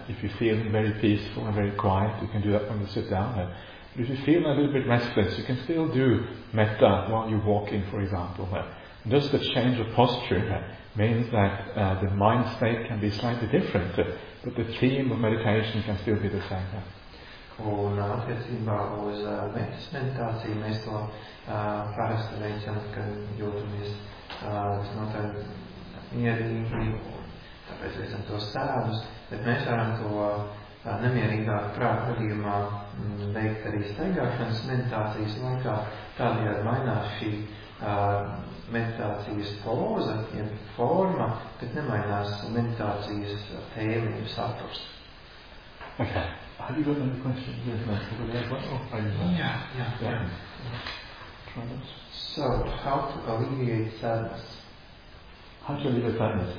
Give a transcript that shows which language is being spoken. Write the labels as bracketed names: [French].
[English] If you feel very peaceful and very quiet, you can do that when you sit down. But if you feel a little bit restless, you can still do metta while you're walking, for example. Just the change of posture means that the mind state can be slightly different, but the theme of meditation can still be the same. [Latvian] Un attiecībā uz metas meditāciju mēs to parasti veicam, kad jūtamies notaļ mierīgi, tāpēc veicam to sēdus, bet mēs varam to nemierīgāk prāta gadījumā veikt arī staigāšanas meditācijas laikā, tādējādi mainās šī meditācijas poza, ja forma, bet nemainās meditācijas tēma un saturs. [English] Okay. Have you got any questions? Yes, no. Yeah. So, how to alleviate sadness? How to alleviate sadness?